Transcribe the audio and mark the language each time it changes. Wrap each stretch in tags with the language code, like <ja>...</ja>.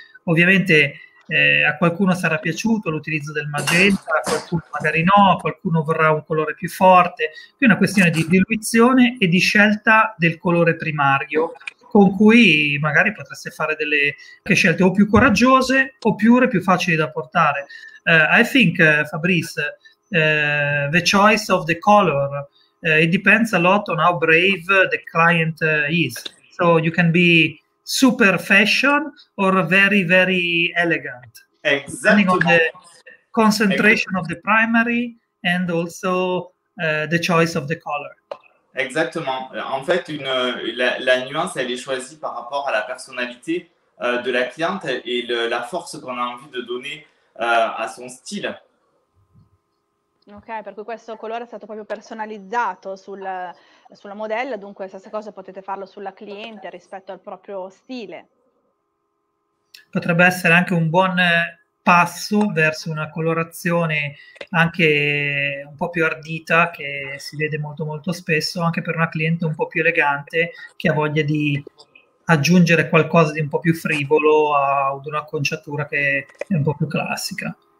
<it>Ovviamente a qualcuno sarà piaciuto l'utilizzo del magenta, a qualcuno magari no, a qualcuno vorrà un colore più forte. Qui è una questione di diluizione e di scelta del colore primario, con cui magari potreste fare delle scelte o più coraggiose oppure più facili da portare.</it> <en>I think, Fabrice, the choice of the color, it depends a lot on how brave the client is. So you can be super fashion or very, very elegant. Exactly. Depending on the concentration of the primary and also the choice of the color.</en> <fr>Exactement. En fait, la nuance, elle est choisie par rapport à la personnalité de la cliente et la force qu'on a envie de donner à son style.</fr> <it>Ok, per cui questo colore è stato proprio personalizzato sulla modella, dunque stessa cosa potete farlo sulla cliente rispetto al proprio stile. Potrebbe essere anche un buon passo verso una colorazione anche un po' più ardita, che si vede molto molto spesso, anche per una cliente un po' più elegante, che ha voglia di aggiungere qualcosa di un po' più frivolo ad un'acconciatura che è un po' più classica.</it>